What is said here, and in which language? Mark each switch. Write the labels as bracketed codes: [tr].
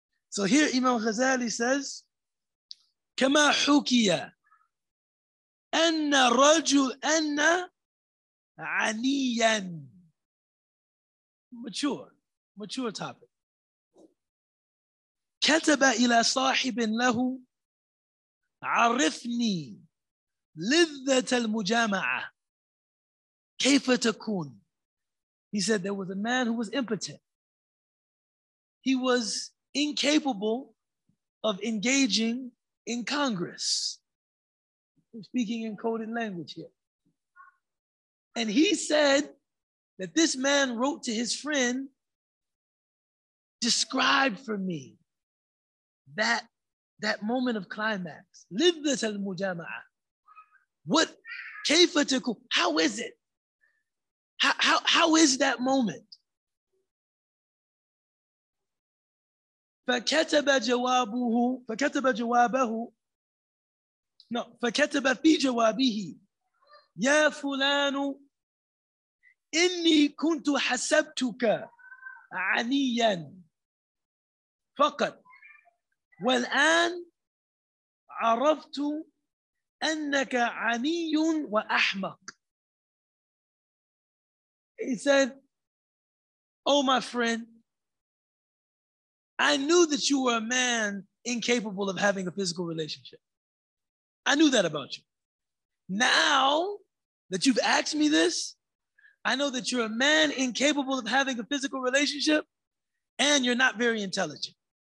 [en] So here Imam Ghazali says, [ar] كما حكي أن رجل أن عنيا. [en] Mature topic. [ar] كتب إلى صاحب له عرفني لذة المجامعة كيف تكون. [en] He said there was a man who was impotent. He was incapable of engaging in Congress. I'm speaking in coded language here. And he said that this man wrote to his friend, describe for me that moment of climax. [ar] Lidhat al-mujama'a. [en] What, [ar] kayfa taku, [en] how is it? How is that moment? [ar] Fakataba fi jawabihi. Ya fulanu, inni kuntu hasabtuka عنياً فقط. والآن عرفت أنك عني وأحمق. [en] He said, oh my friend, I knew that you were a man incapable of having a physical relationship. I knew that about you. Now that you've asked me this, I know that you're a man incapable of having a physical relationship and you're not very intelligent.